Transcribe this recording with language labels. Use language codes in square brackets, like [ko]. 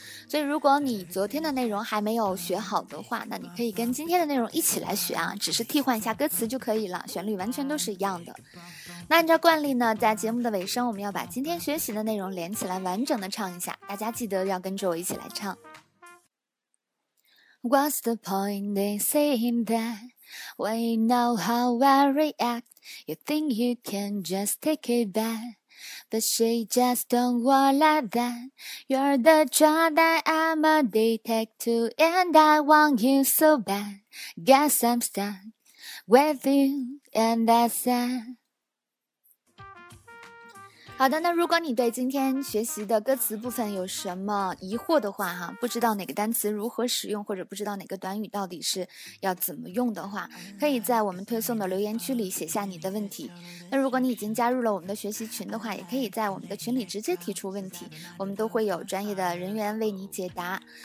[zh] 所以如果你昨天的内容还没有学好的话，那你可以跟今天的内容一起来学啊，只是替换一下歌词就可以了，旋律完全都是一样的。那按照惯例呢，在节目的尾声，我们要把今天学习的内容连起来完整的唱一下，大家记得要跟着我一起来唱。 [en] What's the point in saying that when you know how I react? You think you can just take it back, but she just don't want like that. You're the drug that I'm addicted to, and I want you so bad. Guess I'm stuck with you, and that's it. [zh] 好的，那如果你对今天学习的歌词部分有什么疑惑的话哈，不知道哪个单词如何使用，或者不知道哪个短语到底是要怎么用的话，可以在我们推送的留言区里写下你的问题。那如果你已经加入了我们的学习群的话，也可以在我们的群里直接提出问题，我们都会有专业的人员为你解答。